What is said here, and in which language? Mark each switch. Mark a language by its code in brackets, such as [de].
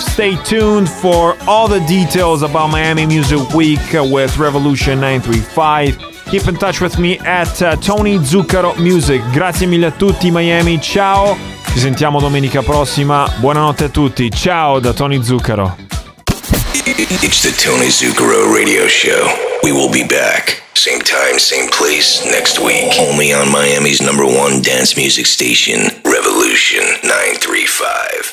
[en] Stay tuned for all the details about Miami Music Week with Revolution 935. Keep in touch with me at Tony Zuccaro Music. [it] Grazie mille a tutti, Miami. Ciao. Ci sentiamo domenica prossima. Buonanotte a tutti. Ciao da Tony Zuccaro. [en] It's the Tony Zuccaro Radio Show. We will be back Same time, same place, next week. Only on Miami's number one dance music station, Revolution 935.